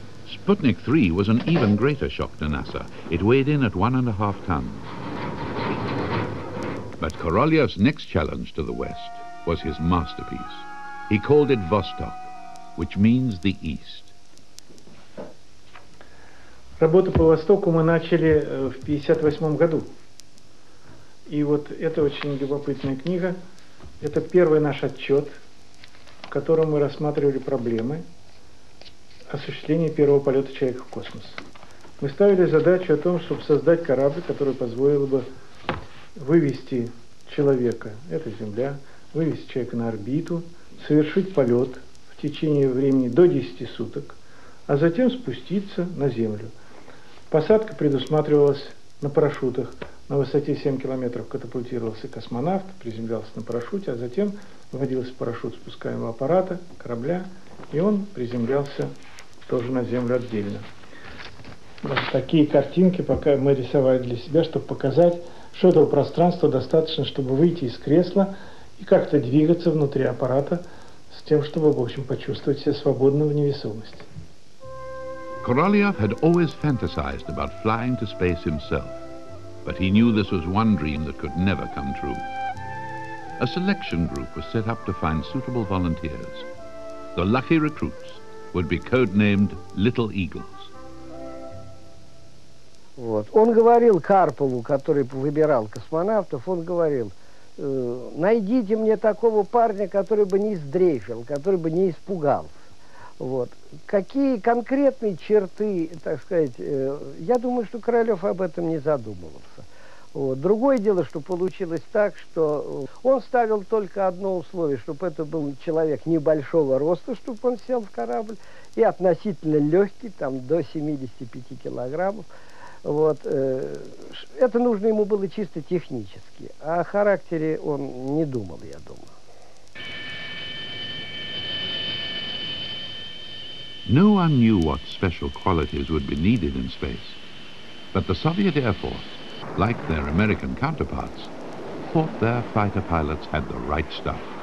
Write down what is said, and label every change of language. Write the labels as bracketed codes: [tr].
[en] Sputnik 3 was an even greater shock to NASA. It weighed in at 1.5 tons. But Korolev's next challenge to the West was his masterpiece. He called it Vostok, which means the East. [ru] Работу по Востоку мы начали в 58 году. И вот это очень любопытная книга. Это первый наш отчет, в котором мы рассматривали проблемы осуществления первого полета человека в космос. Мы ставили задачу о том, чтобы создать корабль, который позволил бы вывести человека, это Земля, вывести человека на орбиту, совершить полет в течение времени до 10 суток, а затем спуститься на Землю. Посадка предусматривалась на парашютах. На высоте 7 километров катапультировался космонавт, приземлялся на парашюте, а затем вводился парашют спускаемого аппарата, корабля, и он приземлялся тоже на Землю отдельно. Вот такие картинки пока мы рисовали для себя, чтобы показать, что этого пространства достаточно, чтобы выйти из кресла и как-то двигаться внутри аппарата с тем, чтобы, в общем, почувствовать себя свободно в невесомости. [en] Korolev had always fantasized about flying to space himself, but he knew this was one dream that could never come true. A selection group was set up to find suitable volunteers. The lucky recruits would be codenamed Little Eagles. [ru] Вот. Он говорил Карпову, который выбирал космонавтов, он говорил: найдите мне такого парня, который бы не сдрейфил, который бы не испугался. Вот. Какие конкретные черты, так сказать, я думаю, что Королёв об этом не задумывался. Вот. Другое дело, что получилось так, что он ставил только одно условие, чтобы это был человек небольшого роста, чтобы он сел в корабль, и относительно легкий, там до 75 килограммов. Вот. Это нужно ему было чисто технически, о характере он не думал, я думаю. [en] No one knew what special qualities would be needed in space. But the Soviet Air Force, like their American counterparts, thought their fighter pilots had the right stuff.